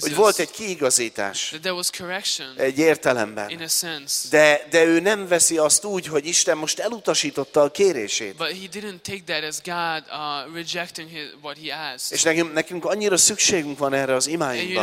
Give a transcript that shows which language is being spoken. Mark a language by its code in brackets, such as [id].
[hu] hogy volt egy kiigazítás. [en] That there was correction, [hu] egy értelemben. [en] In a sense. [hu] De ő nem veszi azt úgy, hogy Isten most elutasította a kérését. [en] But he didn't take that as God rejecting what he asked. [hu] És nekünk annyira szükségünk van erre az imáinkban.